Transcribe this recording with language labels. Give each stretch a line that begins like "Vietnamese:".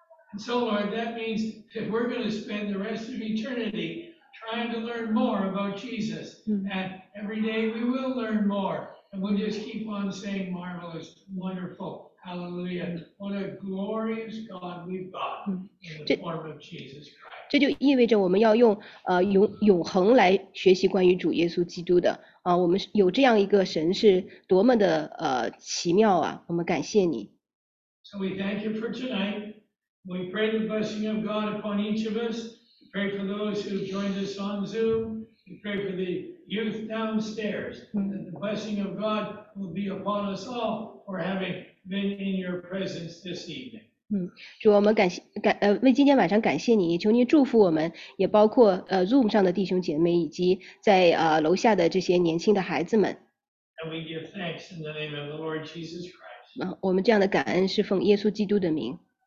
English: And so, Lord, that means that we're going to spend the rest of eternity trying to learn more about Jesus. And every day we will learn more. And we'll just keep on saying, marvelous, wonderful, hallelujah. What a glorious God we've got in the form of Jesus Christ.
Chinese: 这就意味着我们要用永恒来学习关于主耶稣基督的。我们有这样一个神是多么的奇妙啊。我们感谢你。
English: So we thank you for tonight. We pray the blessing of God upon each of us. We pray for those who joined us on Zoom. We pray for the youth downstairs. That the blessing of God will be upon us all for having been in your presence this evening.
Chinese: 主，我们为今天晚上感谢你，求你祝福我们，也包括Zoom 上的弟兄姐妹以及在楼下的这些年轻的孩子们。
English: And we give thanks in the name of the Lord Jesus Christ.
Chinese: 我们这样的感恩是奉耶稣基督的名。